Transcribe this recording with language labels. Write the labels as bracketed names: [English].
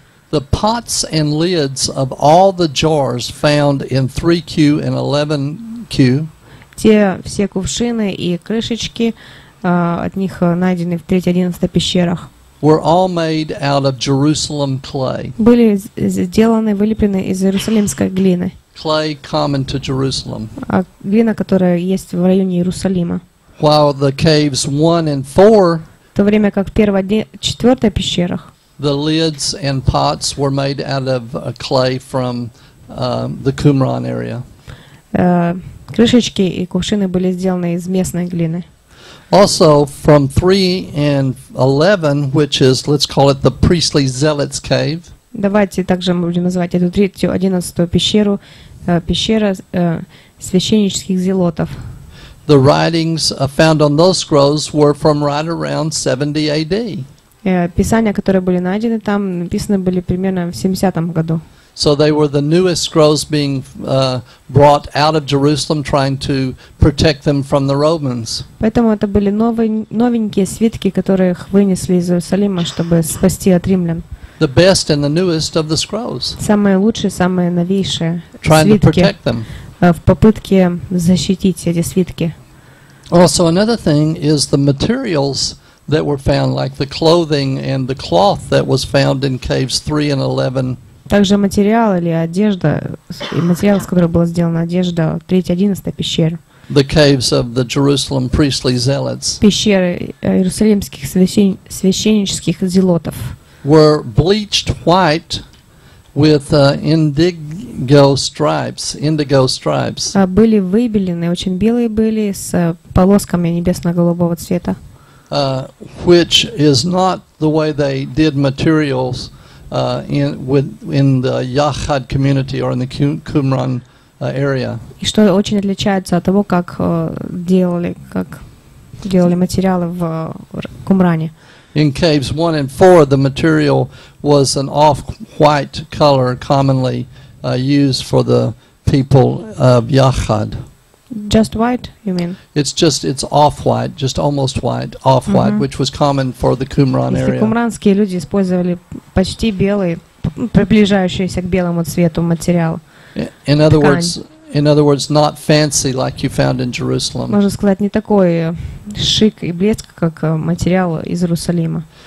[English] The pots and lids of all the jars found in 3Q and 11Q. [Russian] Те все кувшины и крышечки от них найдены в 3-й, 11-й пещерах. [English] Were all made out of Jerusalem clay. [Russian] Были сделаны, вылеплены из иерусалимской глины. [English] clay common to Jerusalem. [Russian] А глина, которая есть в районе Иерусалима. [English] While the caves 1 and 4, [Russian] в то время как первая, четвертая пещера, [English] the lids and pots were made out of clay from the Qumran area. [Russian] Крышечки и кувшины были сделаны из местной глины. [English] Also from 3 and 11, which is, let's call it the priestly zealots cave. [Russian] Давайте также мы будем называть эту третью, одиннадцатую пещеру, пещера священнических зелотов. [English] The writings found on those scrolls were from right around 70 AD. [Russian] Писания, которые были найдены там, написаны были примерно в 70-м году. [English] So they were the newest scrolls being brought out of Jerusalem, trying to protect them from the Romans. [Russian] Поэтому это были новенькие свитки, которых вынесли из Иерусалима, чтобы спасти от римлян. [English] The best and the newest of the scrolls. [Russian] Самые лучшие, самые новейшие свитки. [English] Trying to protect them. [Russian] В попытке защитить эти свитки. [English] Also, another thing is the materials that were found, like the clothing and the cloth that was found in caves 3 and 11. [Russian] Также материал или одежда, материал, с которого была сделана одежда, 3-11 пещера. [English] The caves of the Jerusalem priestly zealots. [Russian] Пещеры иерусалимских священнических зелотов. [English] Were bleached white with indigo stripes. [Russian] Были выбелены, очень белые были, с полосками небесно-голубого цвета. [English] Which is not the way they did materials in the Yahad community or in the Qumran area. [Russian] И что очень отличается от того, как делали материалы в Кумране. [English] In caves 1 and 4, the material was an off-white color commonly used for the people of Yahad. Just white, you mean? It's off-white, just almost white, off-white, mm-hmm. which was common for the Qumran area. [Russian] Кумранские люди использовали почти белый, приближающийся к белому цвету материал. [English] In other words, not fancy like you found in Jerusalem. [Russian] Можно сказать, не такой шик и блеск, как материал из Иерусалима.